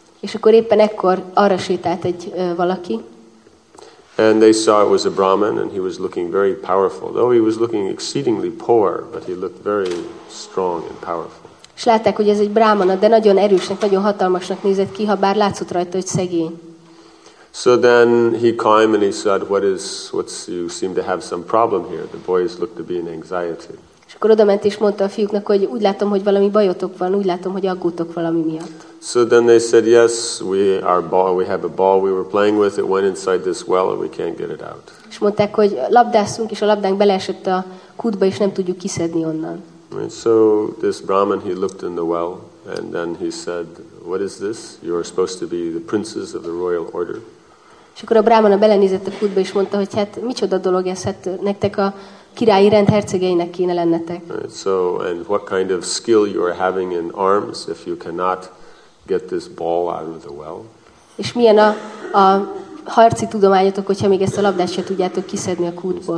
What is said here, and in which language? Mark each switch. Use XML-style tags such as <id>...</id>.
<hu>És akkor éppen ekkor arra sétált egy valaki.</hu> <en>And they saw it was a Brahmin, and he was looking very powerful. Though he was looking exceedingly poor, but he looked very strong and powerful.</en> <hu>És látták, hogy ez egy brámana, de nagyon erősnek, nagyon hatalmasnak nézett ki, ha bár látszott rajta, hogy szegény.</hu> <en>So then he came and he said, what's you seem to have some problem here. The boys looked to be in anxiety.</en> <hu>És akkor odament és mondta a fiúknak, hogy úgy látom, hogy valami bajotok van, úgy látom, hogy aggódtok valami miatt.</hu> <en>So then they said, yes, we have a ball we were playing with, it went inside this well and we can't get it out.</en> <hu>És mondták, hogy labdáztunk és a labdánk beleesett a kútba és nem tudjuk kiszedni onnan.</hu> <en>And so this Brahmin, he looked in the well and then he said, what is this? You are supposed to be the princes of the royal order.</en> <hu>És akkor a brámana belenézett a kútba és mondta, hogy hát micsoda dolog ez, hát nektek a királyi rend hercegeinek kéne lennetek.</hu> <en>Right, so and what kind of skill you are having in arms if you cannot get this ball out of the well?</en> <hu>És milyen a harci tudományotok, hogyha még ezt a labdát se tudjátok kiszedni a kútból.</hu>